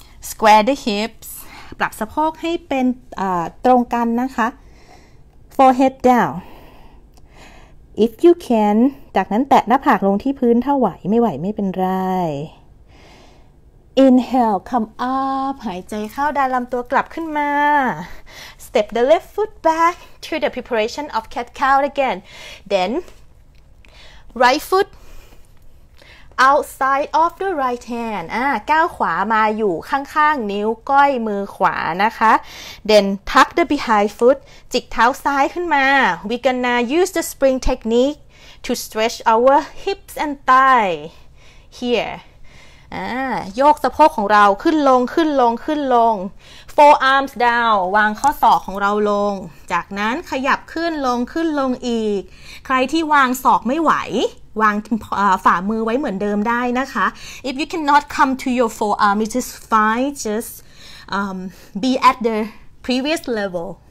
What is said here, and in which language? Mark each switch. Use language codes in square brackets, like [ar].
[en] Square the hips. [th] ปรับสะโพกให้เป็นตรงกันนะคะ [en] Forehead down. If you can. [th] จากนั้นแตะหน้าผากลงที่พื้นถ้าไหวไม่ไหวไม่เป็นไร [en] Inhale, come up. [th] หายใจเข้าดันลำตัวกลับขึ้นมา [en] Step the left foot back to the preparation of cat cow again. Then, right foot outside of the right hand. [th] ก้าวขวามาอยู่ข้างๆนิ้วก้อยมือขวานะคะ [en] Then, tuck the behind foot. [th] จิกเท้าซ้ายขึ้นมา [en] We gonna use the spring technique to stretch our hips and thigh here. [th] โยกสะโพกของเราขึ้นลงขึ้นลงขึ้นลง [en] forearms down [th] วางข้อศอกของเราลงจากนั้นขยับขึ้นลงขึ้นลงอีกใครที่วางศอกไม่ไหววางฝ่ามือไว้เหมือนเดิมได้นะคะ [en] if you cannot come to your forearm it is fine just be at the previous level